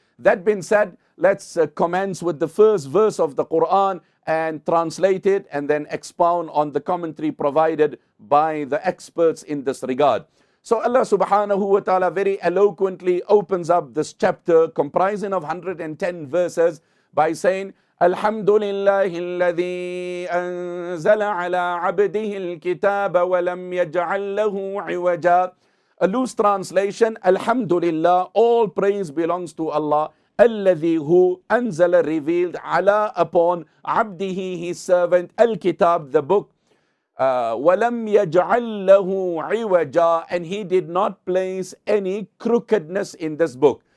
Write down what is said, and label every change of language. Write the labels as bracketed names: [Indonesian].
[English] That being said, let's commence with the first verse of the Quran and translate it and then expound on the commentary provided by the experts in this regard. So Allah subhanahu wa ta'ala very eloquently opens up this chapter comprising of 110 verses by saying, [Arabic] الحمد لله الذي أنزل على عبده الكتاب ولم يجعل له عوجا. [English] A loose translation, [Arabic] الحمد لله, [English] all praise belongs to Allah. [Arabic] الذي هو أنزل [English] revealed [Arabic] على [English] upon [Arabic] عبده [English] his servant [Arabic] الكتاب [English] the book. [Arabic] ولم يجعل له عوجا, [English] and he did not place any crookedness in this book.